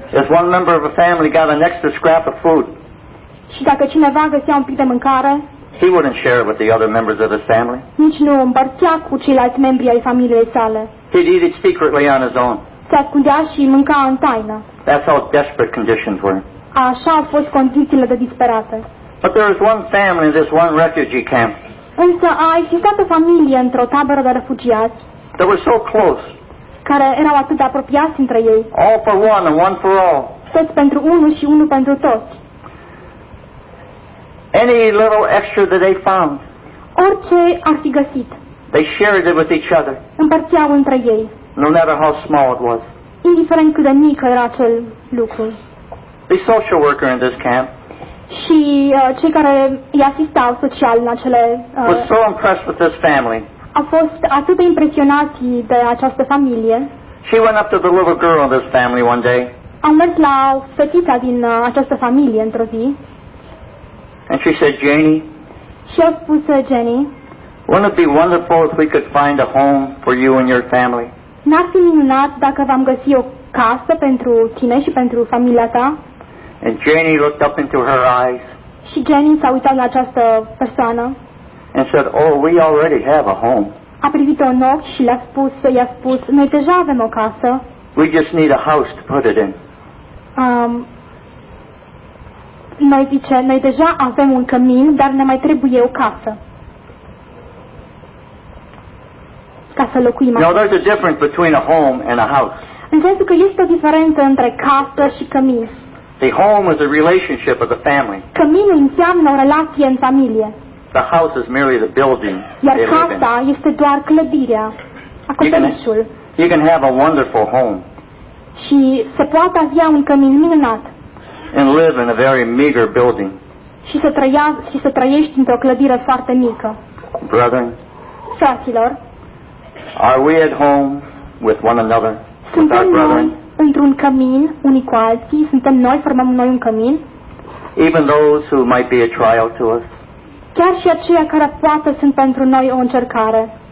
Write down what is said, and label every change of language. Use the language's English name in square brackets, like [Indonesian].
[English] If one member of a family got an extra scrap of food. [Romanian] Și dacă cineva găsea un pic de mâncare, [English] He wouldn't share it with the other members of his family. [Romanian] Nici nu împărțea cu ceilalți membri ai familiei sale. [English] He'd eat it secretly on his own. [Romanian] Se ascundea și mânca în taină. [English] That's how desperate conditions were. [Romanian] Așa au fost condițiile de disperate. [English] But there was one family in this one refugee camp. [Romanian] Însă a existat o familie într-o tabără de refugiați. [English] They were so close. [Romanian] Care erau atât de apropiați între ei. [English] All for one and one for all. [Romanian] Toți pentru unul și unul pentru toți. [English] Any little extra that they found. [Romanian] Orice ar fi găsit. [English] They shared it with each other. [Romanian] Împărțeau între ei. [English] No matter how small it was. [Romanian] Indiferent cât de mic era acel lucru. [English] The social worker in this camp. [Romanian] Și cei care îi asistau social în acele [English] was so impressed with this family. [Romanian] A fost atât de impresionați de această familie. [English] She went up to the little girl in this family one day. [Romanian] Au mers la o fetiță din această familie într-o zi. [English] And she said, Janie. [Romanian] Și a spus, Jenny. [English] Wouldn't it be wonderful if we could find a home for you and your family? [Romanian] N-ar fi minunat dacă v-am găsi o casă pentru tine și pentru familia ta? [English] And Janie looked up into her eyes. [Romanian] Și Jenny s-a uitat la această persoană. [English] And said, oh, we already have a home. [Romanian] A privit-o în ochi și i-a spus, noi deja avem o casă. [English] We just need a house to put it in. [Romanian] Noi zice, noi deja avem un cămin, dar ne mai trebuie o casă. Ca să locuim. [English] Now there's a difference between a home and a house. [Romanian] În sensul că este o diferență între casă și cămin. [English] The home is a relationship of the family. [Romanian] Căminul înseamnă o relație în familie. [English] The house is merely the building. [Romanian] Iar casa este doar clădirea, acoperișul. [English] You can have a wonderful home. [Romanian] Și se poate avea un cămin minunat. [English] And live in a very meager building. [Romanian] Și să trăiești într-o clădire foarte mică. [English] Brethren, [Romanian] fraților, [English] are we at home with one another? [Romanian] Suntem [English] with our [Romanian] noi într-un cămin unii cu alții? Suntem noi, formăm noi un cămin? [English] Even those who might be a trial to us. [Romanian] Chiar și aceia care poate sunt pentru noi o încercare.